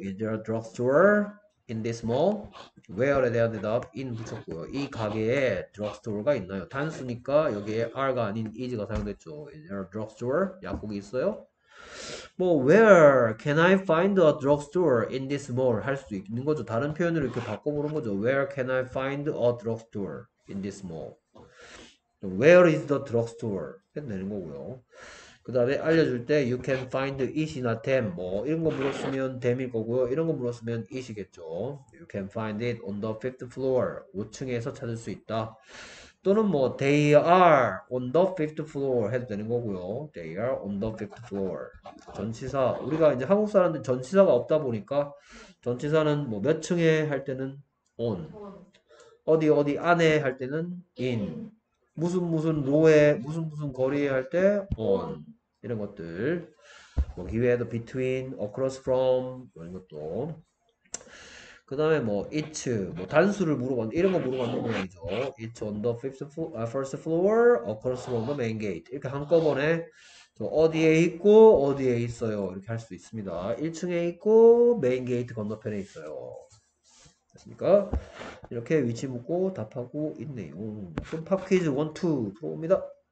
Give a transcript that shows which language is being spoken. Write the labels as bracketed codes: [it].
[en] is there a drugstore in this mall? [ko] where에 대한 대답 in 붙였고요. 이 가게에 drugstore가 있나요? 단수니까 여기에 are가 아닌 is가 사용됐죠. [en] is there a drugstore? [ko] 약국이 있어요? 뭐 [en] where can I find a drugstore in this mall [ko] 할 수도 있는 거죠. 다른 표현으로 이렇게 바꿔보는 거죠. [en] where can I find a drugstore in this mall? where is the drugstore? [ko] 해도 되는 거고요. 그 다음에 알려줄 때 [en] you can find it [ko] 이나 them 뭐 이런 거 물었으면 them일 거고요. 이런 거 물었으면 it이겠죠. [en] you can find it on the fifth floor. [ko] 5층에서 찾을 수 있다. 또는 뭐 [en] they are on the fifth floor [ko] 해도 되는 거고요. [en] they are on the fifth floor. [ko] 전치사 우리가 이제 한국 사람들 전치사가 없다 보니까 전치사는 뭐몇 층에 할 때는 on, 어디 어디 안에 할 때는 in, 무슨 무슨 로에 무슨 무슨 거리에 할때 on 이런 것들 뭐 기회에도 between, across from 이런 것도. 그 다음에 뭐 it 뭐 단수를 물어봤는데 이런 거 물어봤는 모양이죠. [en] it's on the fifth floor, first floor, across from the main gate. [ko] 이렇게 한꺼번에 저 어디에 있고 어디에 있어요 이렇게 할수 있습니다. 1층에 있고 메인 게이트 건너편에 있어요. 됐습니까? 이렇게 위치 묻고 답하고 있네요. 그럼 팝 퀴즈 1, 2 들어옵니다.